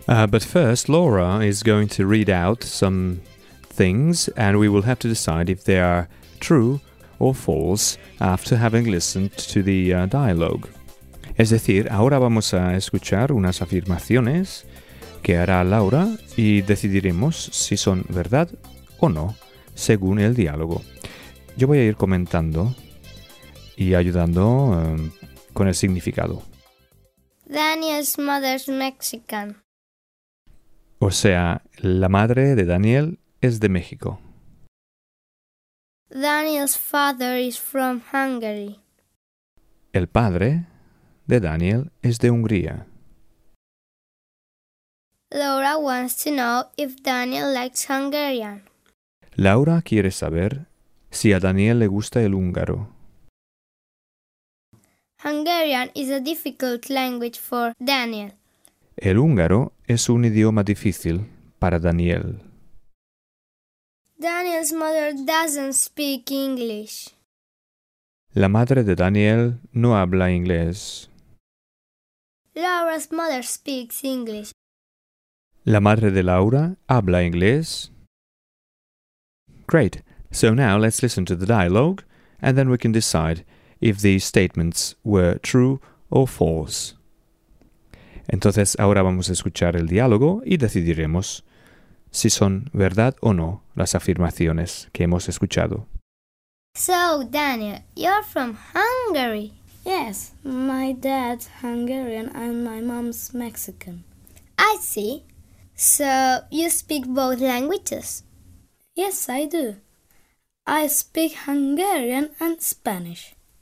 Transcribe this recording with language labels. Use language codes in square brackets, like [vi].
[en] But first, Laura is going to read out some things, and we will have to decide if they are true or false after having listened to the dialogue. [es] Es decir, ahora vamos a escuchar unas afirmaciones que hará Laura y decidiremos si son verdad o no según el diálogo. Yo voy a ir comentando y ayudando con el significado. [en] Daniel's mother's Mexican. [es] O sea, la madre de Daniel es de México. [en] Daniel's father is from Hungary. [es] El padre de Daniel es de Hungría. [en] Laura wants to know if Daniel likes Hungarian. [es] Laura quiere saber si a Daniel le gusta el húngaro. [en] Hungarian is a difficult language for Daniel. [es] El húngaro es un idioma difícil para Daniel. [en] Daniel's mother doesn't speak English. [es] La madre de Daniel no habla inglés. [en] Laura's mother speaks English. [es] La madre de Laura habla inglés. [en] Great. So now let's listen to the dialogue, and then we can decide if these statements were true or false. [es] Entonces ahora vamos a escuchar el diálogo y decidiremos si son verdad o no las afirmaciones que hemos escuchado. [en] So, Daniel, you're from Hungary. Yes, my dad's Hungarian and my mom's Mexican. I see. So, you speak both languages? Yes, I do. I speak Hungarian and Spanish.